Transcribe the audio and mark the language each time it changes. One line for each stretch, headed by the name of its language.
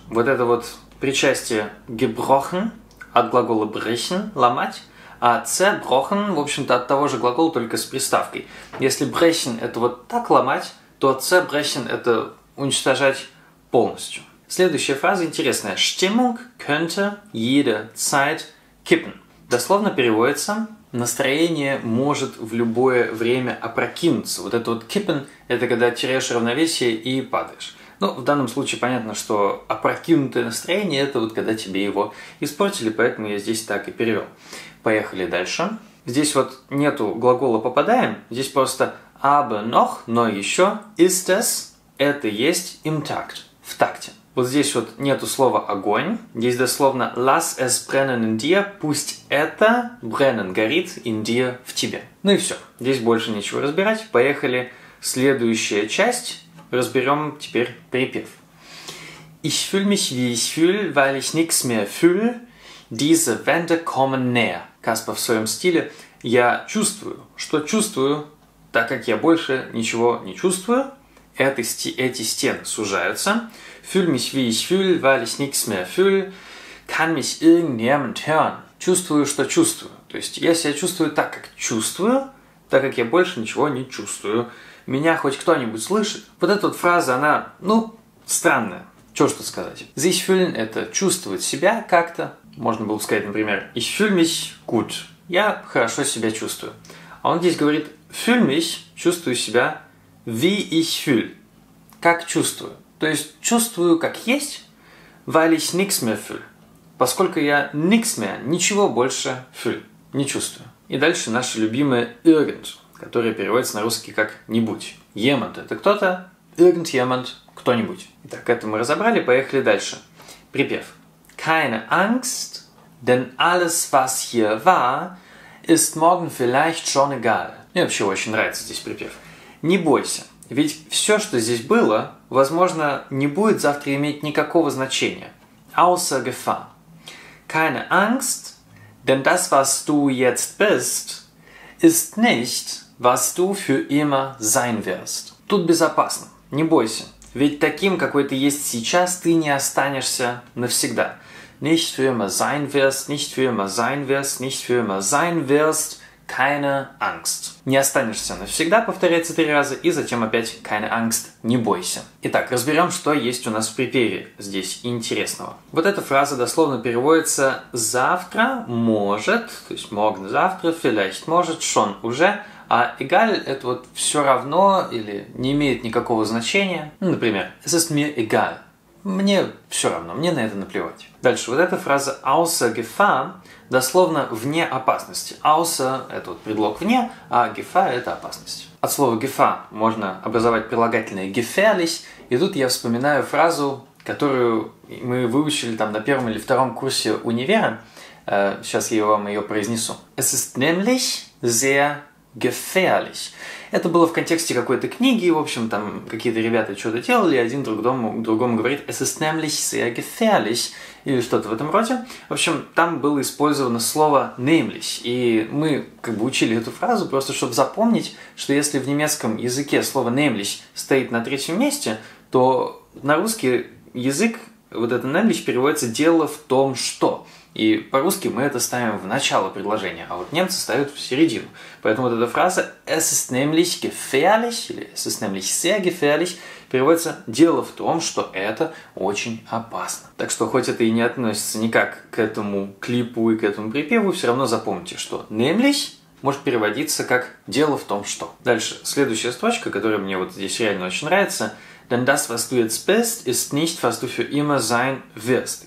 Russian: Вот это вот причастие gebrochen от глагола brechen – ломать, а zerbrochen, в общем-то, от того же глагола, только с приставкой. Если brechen – это вот так ломать, то zerbrechen – это уничтожать полностью. Следующая фраза интересная.
German: Stimmung könnte jederzeit kippen.
Russian: Дословно переводится «настроение может в любое время опрокинуться». Вот это вот kippen – это когда теряешь равновесие и падаешь. Ну, в данном случае понятно, что опрокинутое настроение – это вот когда тебе его испортили, поэтому я здесь так и перевел. Поехали дальше. Здесь вот нету глагола «попадаем», здесь просто
German: aber noch,
Russian: но еще
German: ist es,
Russian: это есть
German: im Takt,
Russian: в такте. Вот здесь вот нету слова огонь, здесь дословно
German: lass es brennen in dir,
Russian: пусть это brennen, горит
German: in dir,
Russian: в тебе. Ну и все, здесь больше нечего разбирать, поехали. Следующая часть, разберем теперь припев.
German: Ich fühle mich wie ich fühle, weil ich nichts mehr fühle, diese Wände kommen näher.
Russian: Каспа в своем стиле, я чувствую, что чувствую, так как я больше ничего не чувствую, эти стены сужаются.
German: Fühl mich wie ich fühl, weil ich nichts mehr fühl, kann mich irgendjemand hören.
Russian: Чувствую, что чувствую. То есть я себя чувствую так, как чувствую, так как я больше ничего не чувствую. Меня хоть кто-нибудь слышит? Вот эта вот фраза, она, ну, странная. Чего что сказать?
German: Sich fühlen
Russian: – это чувствовать себя как-то. Можно было бы сказать, например,
German: ich fühl mich gut.
Russian: Я хорошо себя чувствую. А он здесь говорит
German: fühl mich,
Russian: чувствую себя,
German: wie ich fühl,
Russian: как чувствую. То есть чувствую, как есть,
German: weil ich nichts mehr fühl,
Russian: поскольку я
German: nichts mehr,
Russian: ничего больше fühl, не чувствую. И дальше наше любимое irgend, которое переводится на русский как нибудь. Jemand – это кто-то, irgendjemand – кто-нибудь. Итак, это мы разобрали, поехали дальше. Припев.
German: Keine Angst, denn alles, was hier war, ist morgen vielleicht schon egal.
Russian: Мне вообще очень нравится здесь припев. Не бойся, Ведь все, что здесь было, возможно, не будет завтра иметь никакого значения.
German: Außer Gefahr. Keine Angst, denn das, was du jetzt bist, ist nicht, was du für immer sein wirst.
Russian: Тут безопасно, не бойся. Ведь таким, какой ты есть сейчас, ты не останешься навсегда.
German: Nicht für immer sein wirst, nicht für immer sein wirst, nicht für immer sein wirst, keine Angst.
Russian: Не останешься навсегда, повторяется 3 раза, и затем опять
German: keine Angst,
Russian: не бойся. Итак, разберем, что есть у нас в припеве здесь интересного. Вот эта фраза дословно переводится «завтра может», то есть «morgen завтра», «vielleicht может», «schon уже». А egal – это вот все равно или не имеет никакого значения. Ну, например,
German: es ist mir egal.
Russian: Мне все равно, мне на это наплевать. Дальше, вот эта фраза
German: außer Gefahr
Russian: дословно «вне опасности». Außer – это вот предлог «вне», а Gefahr – это опасность. От слова Gefahr можно образовать прилагательное gefährlich. И тут я вспоминаю фразу, которую мы выучили там на 1 или 2 курсе универа. Сейчас я вам ее произнесу.
German: Es ist nämlich sehr gefährlich.
Russian: Это было в контексте какой-то книги, в общем, там какие-то ребята что-то делали, один другому говорит
German: «Es ist nämlich sehr gefährlich»
Russian: или что-то в этом роде. В общем, там было использовано слово «nämlich», и мы как бы учили эту фразу просто, чтобы запомнить, что если в немецком языке слово «nämlich» стоит на 3-м месте, то на русский язык вот это «nämlich» переводится «дело в том, что». И по-русски мы это ставим в начало предложения, а вот немцы ставят в середину. Поэтому вот эта фраза
German: «Es ist nämlich gefährlich»
Russian: или
German: «Es ist nämlich sehr gefährlich»
Russian: переводится «Дело в том, что это очень опасно». Так что, хоть это и не относится никак к этому клипу и к этому припеву, все равно запомните, что «nämlich» может переводиться как «Дело в том, что». Дальше, следующая строчка, которая мне вот здесь реально очень нравится
German: – Denn das, was du jetzt bist, ist nicht, was du für immer sein wirst.